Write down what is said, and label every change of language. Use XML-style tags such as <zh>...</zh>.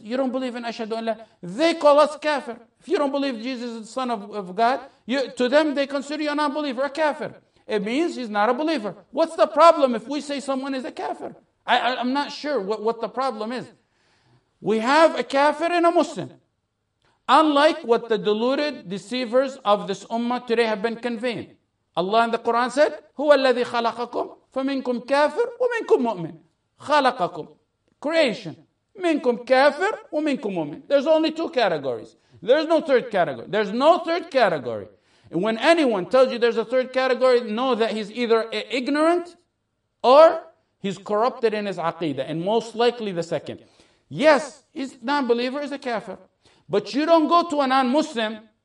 <en>You don't believe in ashadu an la, they call us kafir. If you don't believe Jesus is the son of God, you, to them they consider you an unbeliever, a kafir. It means he's not a believer. What's the problem if we say someone is a kafir? I'm not sure what the problem is. We have a kafir and a Muslim. Unlike what the deluded deceivers of this ummah today have been conveying. Allah in the Quran said,</en> <ar>هُوَ الَّذِي خَلَقَكُمْ فَمِنْكُمْ كَافِرٌ وَمِنْكُمْ مُؤْمِنٌ. خَلَقَكُمْ.</ar> <en>Creation.</en> <ar>مِنْكُمْ كَافِرٌ وَمِنْكُمْ مُؤْمِنٌ.</ar> <en>There's only two categories. There's no third category. There's no third category. And when anyone tells you there's a third category, know that he's either ignorant or he's corrupted in his aqidah. And most likely the second. Yes, he's non-believer is a kafir. But you don't go to a non-Muslim</en>